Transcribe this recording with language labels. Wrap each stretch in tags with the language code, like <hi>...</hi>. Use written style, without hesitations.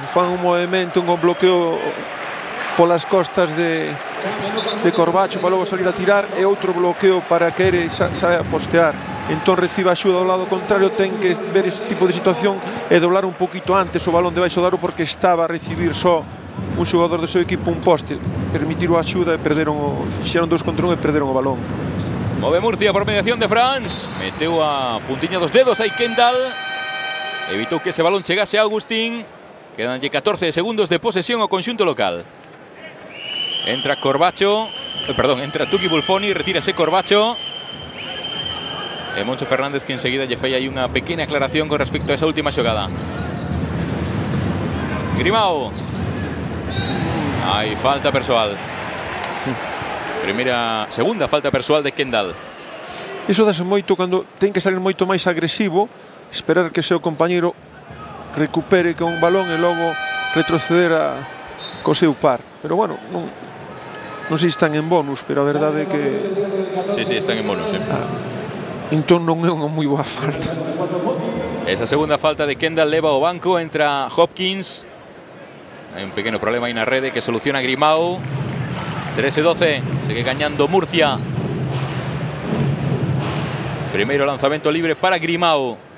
<gl>Fan un movimento, un bloqueo polas costas de Corbacho para logo salir a tirar, e outro bloqueo para que Ere saia a postear. Entón recibe a xuda ao lado contrario, ten que ver ese tipo de situación e doblar un poquito antes o balón de baixo daro, porque estaba a recibir só un xogador do seu equipo un poste. Permitiron a xuda e perderon o... Fixeron 2 contra 1 e perderon o balón. Move Murcia por mediación de Franz. Meteu a puntiña dos dedos aí Kendall. Evitou que ese balón chegase a Agustín. Quedanlle 14 segundos de posesión ao conxunto local. Entra Corbacho. Perdón, entra Tuki Bulfoni. Retírase Corbacho. E Moncho Fernández, que enseguida lle fai aí unha pequena aclaración con respecto a esa última xogada.</gl> <es>Grimau. Hay falta personal. Primera, segunda falta personal de Kendall.</es> <gl>Eso dase moito cando ten que salir moito máis agresivo, esperar que seu compañeiro recupere con un balón e logo retroceder a co seu par. Pero bueno, non sei se están en bonus, pero a verdade é que sí, están en bonus. Entón non é unha moi boa falta. Esa segunda falta de Kendall leva o banco, entra Hopkins.</gl> <es>Hay un pequeño problema ahí en la red que soluciona Grimau. 13-12, sigue ganando Murcia. Primero lanzamiento libre para Grimau.</es>